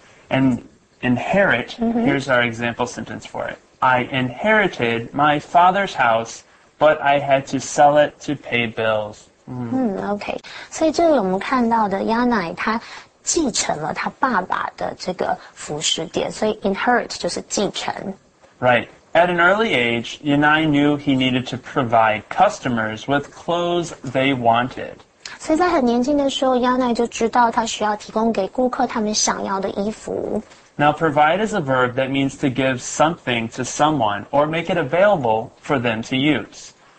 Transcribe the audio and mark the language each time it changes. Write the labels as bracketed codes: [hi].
[en] And inherit, here's our example sentence for it. I inherited my father's house, but I had to sell it to pay bills. OK. [zh] 所以这里我们看到的 Yanai, 他继承了他爸爸的这个服饰店。所以 inherit 就是继承。 [en] Right. At an early age, Yanai knew he needed to provide customers with clothes they wanted. [zh] 所以在很年轻的时候 ,Yanai 就知道他需要提供给顾客他们想要的衣服。 [en] Now, provide is a verb that means to give something to someone or make it available for them to use.